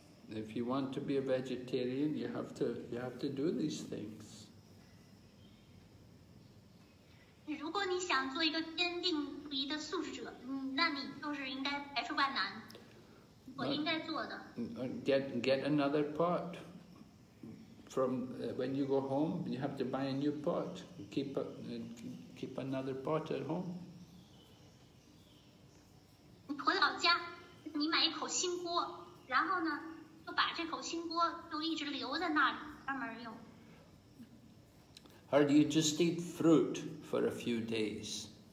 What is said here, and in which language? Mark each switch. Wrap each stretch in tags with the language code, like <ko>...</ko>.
<en>If you want to be a vegetarian, you have to do these things.</en> <zh>如果你想做一个坚定不移的素食者，那你就是应该排除万难，我应该做的。</zh> <en>Get another pot. From when you go home, you have to buy a new pot. Keep another pot at home.</en> <zh>你回老家，你买一口新锅，然后呢，就把这口新锅就一直留在那里，慢慢用。</zh> <en>Or do you just eat fruit for a few days?</en>